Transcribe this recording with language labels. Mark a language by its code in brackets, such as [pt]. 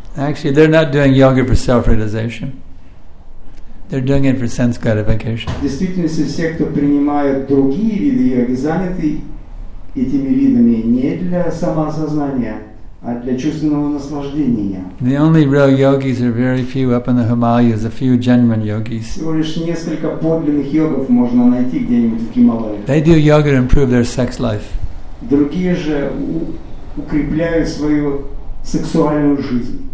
[en] Actually, they're not doing yoga for self-realization. They're doing it for sense gratification. [ru] Действительно, все, кто принимает другие виды йоги, заняты этими видами не для самоосознания, а для чувственного наслаждения. [en] The only real yogis are very few up in the Himalayas, a few genuine yogis. [ru] Всего лишь несколько подлинных йогов можно найти где-нибудь в Гималаях. [en] They do yoga to improve their sex life. [ru] Другие же укрепляют свою сексуальную жизнь.